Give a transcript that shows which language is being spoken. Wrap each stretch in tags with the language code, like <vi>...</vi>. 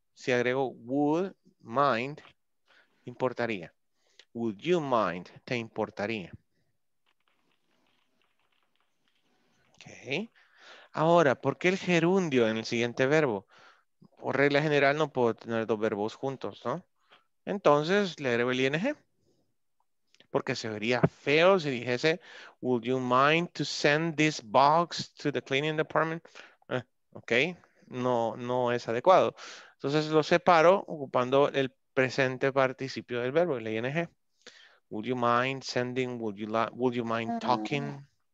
<es>Si agrego would mind, importaría.</es> <en>Would you mind,</en> <es>te importaría. Ok. Ahora, ¿por qué el gerundio en el siguiente verbo? Por regla general no puedo tener dos verbos juntos, ¿no? Entonces, le agrego el ing. Porque se vería feo si dijese,</es> <en>would you mind to send this box to the cleaning department?</en> <es>Ok, no es adecuado. Entonces, lo separo ocupando el presente participio del verbo, el ing.</es> <en>Would you mind sending, would you mind talking?</en>